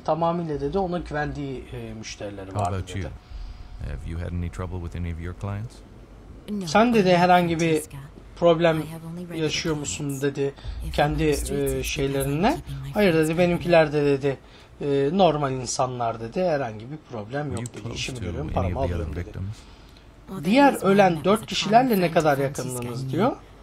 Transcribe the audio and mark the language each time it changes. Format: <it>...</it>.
<tr>Tamamıyla dedi ona güvendiği müşterileri var dedi.</tr> <en>Have you had any trouble with any of your clients?</en> <tr>Sen dedi herhangi bir problem yaşıyor musun dedi kendi şeylerinle. Hayır dedi, benimkiler de dedi normal insanlar dedi, herhangi bir problem yok dedi. İşimi görüyorum, paramı alıyorum dedi. Diğer ölen dört kişilerle ne kadar yakındınız diyor.</tr>